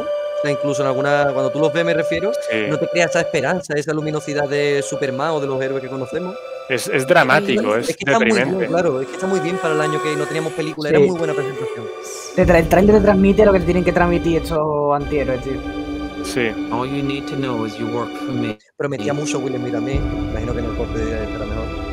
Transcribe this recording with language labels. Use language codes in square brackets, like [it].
[es] O sea, incluso en alguna, cuando tú los ves, me refiero, sí. No te creas esa esperanza, esa luminosidad de Superman o de los héroes que conocemos. Es dramático, es que deprimente. Está muy bien, claro, es que está muy bien para el año que no teníamos película, sí. Era muy buena presentación. El tráiler te transmite lo que te tienen que transmitir estos antihéroes, tío. Sí. [en] All you need to know is you work for me. [es] Prometía mucho, William, mírame. Imagino que en el corte de día estará mejor.